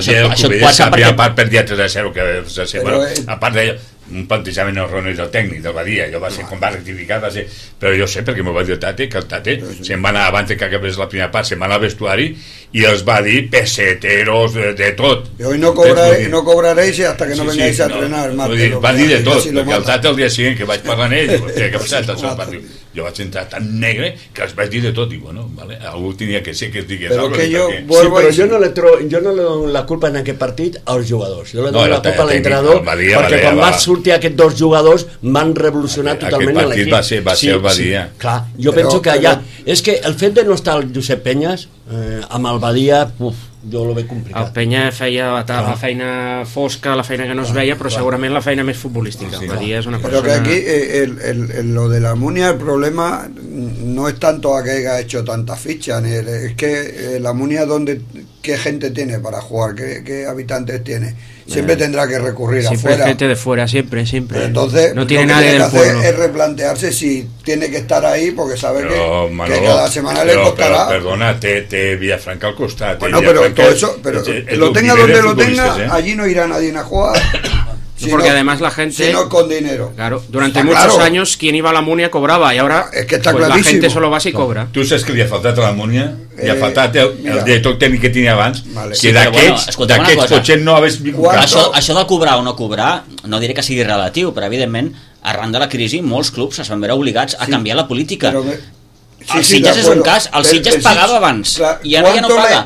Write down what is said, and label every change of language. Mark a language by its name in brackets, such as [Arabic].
[Catalan] això... El dia del Cubelles s'havia part perdia 3-0, que va ser... A part d'allò... un plantejament erroni del tècnic del Badia, allò va ser com va rectificar, va ser... però jo sé perquè m'ho va dir el Tate, que el Tate se'n va anar abans que acabés la primera part, se'n va anar al vestuari i els va dir peseteros de tot. I avui [Spanish] no cobraréis hasta que no vengáis a entrenar. [Catalan] No, dir, va dir de tot, perquè el Tate el dia siguient que vaig parlar amb ell, que ha passat el seu partit, jo vaig entrar tan negre que els vaig dir de tot, i bueno, vale, algú tenia que ser que es digués però que jo, jo no li dono la culpa en aquest partit als jugadors, jo li dono la culpa a l'entrenador, perquè quan va sortir aquests dos jugadors van revolucionar totalment l'equip. Aquest partit va ser el Badia. Sí, clar, jo penso que allà, és que el fet de no estar el Josep Penyes amb el Badia, jo l'ho veig complicat. El Penya feia la feina fosca, la feina que no es veia, però segurament la feina més futbolística. Sí, Badia és una persona... Però que aquí, [Spanish] lo de la Amunia, el problema no és tanto a que haya hecho tanta ficha, es que la Amunia, ¿qué gente tiene para jugar? ¿Qué habitantes tiene? Siempre tendrá que recurrir siempre afuera. Gente de fuera, siempre. Entonces, no tiene nadie del pueblo. Lo que es replantearse si tiene que estar ahí porque sabe que cada semana le costará. Pero, perdona, te Villafranca al costado. Bueno, pero todo eso, pero lo tenga donde lo tenga, allí no irá nadie a jugar. Porque además la gente... Sino con dinero. Claro, durante muchos años quien iba a la Amunia cobraba y ahora es que está clarísimo. La gente solo va y cobra. Tú sabes que le ha faltado a la Amunia... [Catalan] i ha faltat el director tècnic que tenia abans, que d'aquests potser no hagués vingut. Això de cobrar o no cobrar, no diré que sigui relatiu, però evidentment, arran de la crisi, molts clubs es van veure obligats a canviar la política. El Sitges és un cas, el Sitges pagava abans i ara ja no paga.